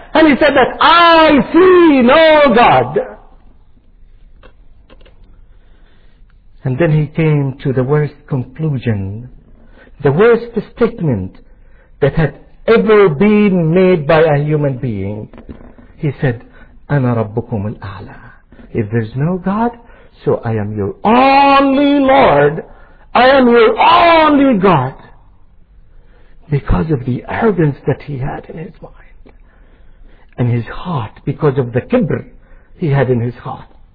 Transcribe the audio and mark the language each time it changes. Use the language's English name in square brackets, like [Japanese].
[English] And he said that, I see no God. And then he came to the worst conclusion, the worst statement that had ever been made by a human being. He said, [Arabic] أَنَا رَبُّكُمُ الْأَعْلَى. [English] If there's no God, so I am your only Lord. I am your only God. Because of the arrogance that he had in his mind and his heart, because of the kibr he had in his heart.